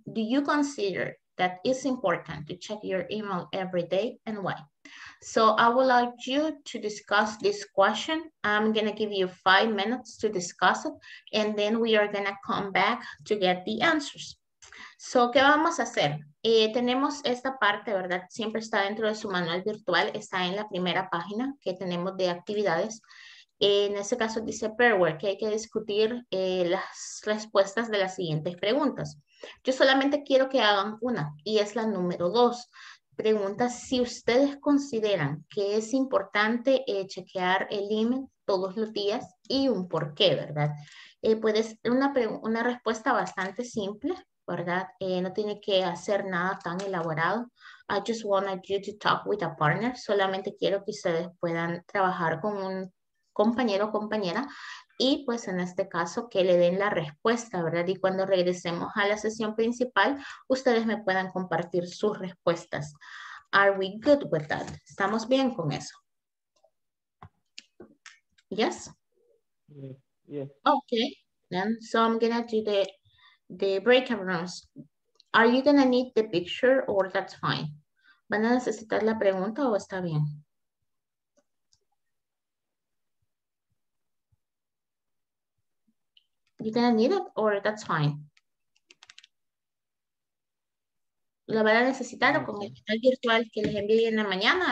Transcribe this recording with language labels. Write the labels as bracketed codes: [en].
[en] Do you consider that it's important to check your email every day and why? So I would like you to discuss this question. I'm gonna give you 5 minutes to discuss it and then we are gonna come back to get the answers. [es] So, ¿qué vamos a hacer? Tenemos esta parte, ¿verdad? Siempre está dentro de su manual virtual, está en la primera página que tenemos de actividades. En ese caso dice pair work, que hay que discutir las respuestas de las siguientes preguntas. Yo solamente quiero que hagan una y es la número 2. Pregunta si ustedes consideran que es importante chequear el email todos los días y un por qué, ¿verdad? Puede ser una respuesta bastante simple, ¿verdad? No tiene que hacer nada tan elaborado. [en] I just wanted you to talk with a partner. [es] Solamente quiero que ustedes puedan trabajar con un compañero o compañera y pues en este caso que le den la respuesta, ¿verdad? Y cuando regresemos a la sesión principal, ustedes me puedan compartir sus respuestas. [en] Are we good with that? [es] ¿Estamos bien con eso? [en] Yes? Yes. Okay. Then, so I'm gonna do the breakout rooms. Are you gonna need the picture or that's fine? [es] ¿Van a necesitar la pregunta o está bien? [en] You're gonna need it or that's fine. [es] ¿Lo van a necesitar o con el canal virtual que les envíe en la mañana?